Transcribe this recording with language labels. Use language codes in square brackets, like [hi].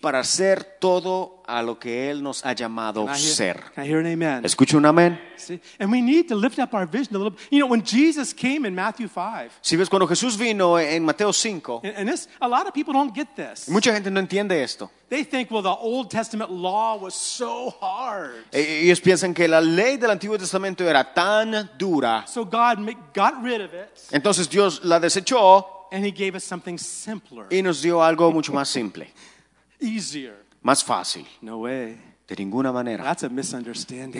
[es] Para ser todo a lo que Él nos ha llamado ser. [en] Can I hear an amen? [es] ¿Escucho un amén? [en] See? And we need to lift up our vision a little. You know, when Jesus came in Matthew 5. [es] Si ves cuando Jesús vino en Mateo 5. [en] And this, a lot of people don't get this. [es] Mucha gente no entiende esto. [en] They think, well, the Old Testament law was so hard. [es] Ellos piensan que la ley del Antiguo Testamento era tan dura. [en] So God got rid of it. [es] Entonces Dios la desechó. [en] And He gave us something simpler. [es] Y nos dio algo mucho más simple. [en] Easier. [es] Más fácil. [en] No way. [es] De ninguna manera. [en] That's a misunderstanding.